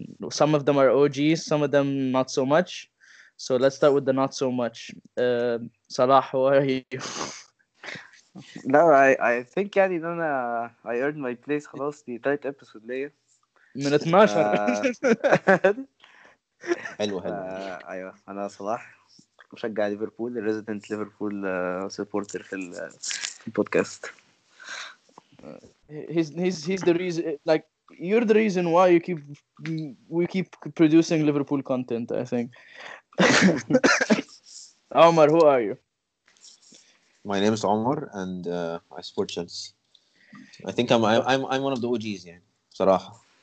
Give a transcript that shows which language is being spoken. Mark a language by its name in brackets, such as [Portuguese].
[English] Some of them are OGs, some of them not so much. So let's start with the not so much. Salah, who are you? No, I think يعني أنا I earned my place خلاص [Arabic] في تالت [English] episode ليه. [Arabic] من 12 حلو حلو ايوه انا صلاح مشجع ليفربول الريزيدنت ليفربول سبورتر في البودكاست [English] he's the reason like you're the reason why we keep producing Liverpool content I think Omar who are you my name is Omar and I support Chelsea I think I'm one of the OGs [Arabic] يعني صراحه